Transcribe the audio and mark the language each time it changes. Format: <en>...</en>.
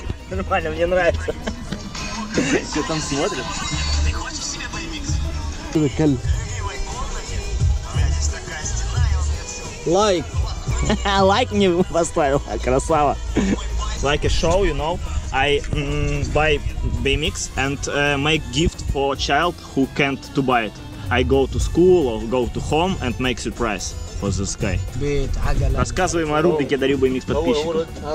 <ru>Нормально, мне нравится. Все там смотрят. Ты хочешь себе боевик? Кал. Лайк. Лайк мне поставил, красава.</ru> <en>Like a show, you know. I buy BMX and make gift for a child who can't to buy it. I go to school or go to home and make surprise for this guy.</en> <ru>Рассказывай ему о рубрике «Дарю BMX подписчику».</ru>